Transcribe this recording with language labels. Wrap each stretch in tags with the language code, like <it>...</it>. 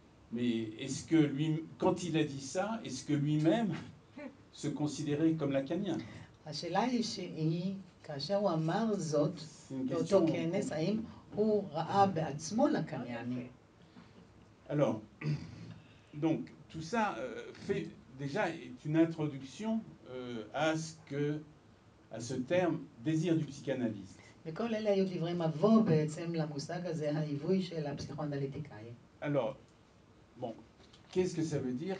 <fr>Mais est-ce que lui, quand il a dit ça, est-ce que lui-même se considérait comme lacanien?</fr> <he>השאלה היא שהיא, כאשר הוא אמר זאת, באותו כנס, האם הוא ראה בעצמו לקניינים?</he> <fr>Alors, donc, tout ça fait déjà est une introduction à ce que, à ce terme, désir du psychanalyste. Alors, bon, qu'est-ce que ça veut dire?</fr>